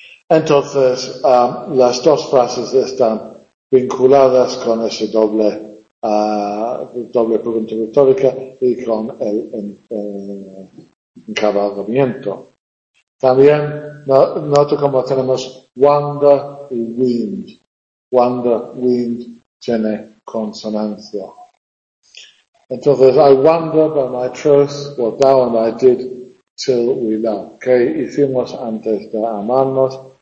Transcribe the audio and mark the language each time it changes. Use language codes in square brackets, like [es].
[es] Entonces, las dos frases están vinculadas con ese doble pregunta retórica y con el encabalgamiento. También noto como tenemos wonder y wind. Wonder, wind, tiene consonancia. [en] Entonces, I wonder by my truth what thou and I did till we loved. [es] ¿Qué hicimos antes de amarnos?